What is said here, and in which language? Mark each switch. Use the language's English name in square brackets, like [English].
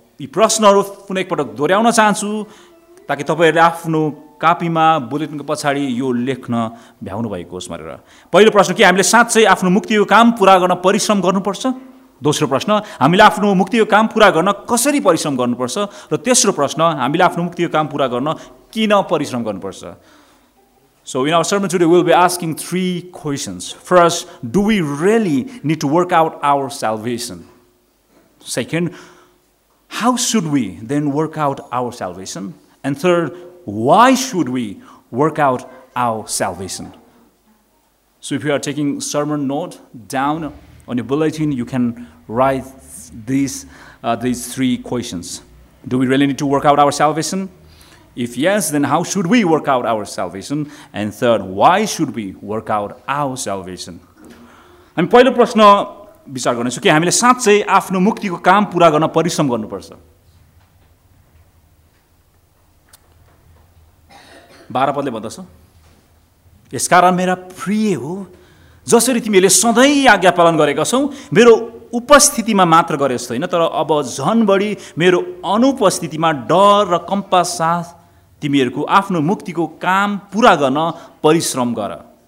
[Nepali] यी प्रश्नहरू पुनः एकपटक दोहोऱ्याउन चाहन्छु ताकि तपाईँहरूले आफ्नो कापीमा बुलेटिनको पछाडि यो लेख्न भ्याउनु भएको होस् भनेर। पहिलो प्रश्न, के हामीले साँच्चै आफ्नो मुक्तिको काम पुरा गर्न परिश्रम गर्नुपर्छ? दोस्रो प्रश्न, हामीले आफ्नो मुक्तिको काम पुरा गर्न कसरी परिश्रम गर्नुपर्छ? र तेस्रो प्रश्न, हामीले आफ्नो मुक्तिको काम पुरा गर्न किन परिश्रम गर्नुपर्छ? [English] So in our sermon today, we'll be asking three questions. First, do we really need to work out our salvation? Second, how should we then work out our salvation? And third, why should we work out our salvation? So if you are taking sermon note down on your bulletin, you can write these three questions. Do we really need to work out our salvation? If yes, then how should we work out our salvation? And third, why should we work out our salvation? [Nepali] हामी पहिलो प्रश्न विचार गर्नेछौँ कि हामीले साँच्चै आफ्नो मुक्तिको काम पुरा गर्न परिश्रम गर्नुपर्छ। बाह्र पदले भन्दछ, यसकारण मेरा प्रिय हो, जसरी तिमीले सधैँ आज्ञा पालन गरेका छौ, मेरो उपस्थितिमा मात्र गरे जस्तो होइन, तर अब झन बढी मेरो अनुपस्थितिमा डर र कम्पा साथ तिमीहरूको आफ्नो मुक्तिको काम पुरा गर्न परिश्रम गर।